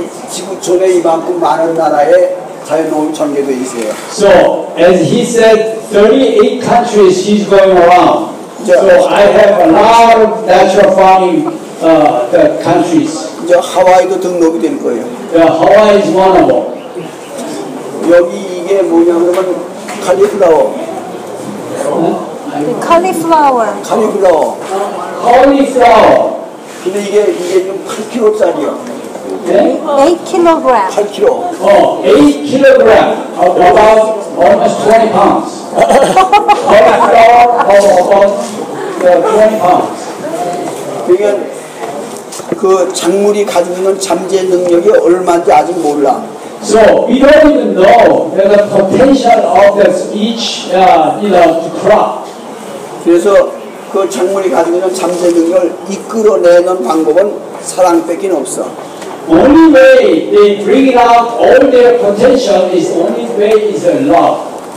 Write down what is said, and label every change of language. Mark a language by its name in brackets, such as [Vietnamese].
[Korean] 지구촌에 이만큼 많은 나라에 자연농업 전개돼 있어요. [English] So as he said, 38 countries he's going around. So I have a lot of natural farming the countries. [Korean] 이제 하와이도 등록이 된 거예요. [English] Hawaii is one of them. [Korean] 여기 이게 뭐냐 그러면 칼리플라워. 칼리플라워. 칼리플라워. 칼리플라워. 근데 이게 좀 8kg짜리야. 네? 8kg. 8kg. [English] 8kg. About almost 20 pounds. 칼리플라워 20 pounds. [Korean] 그러니까 그 작물이 가지고 있는 잠재 능력이 얼마인지 아직 몰라. [English] So we don't even know the potential of this each, crop. [Korean] 그래서 그 작물이 가지고 있는 잠재 능력을 이끌어내는 방법은 사랑밖에 없어. [English] Only way they bring it out all their potential is only way is love.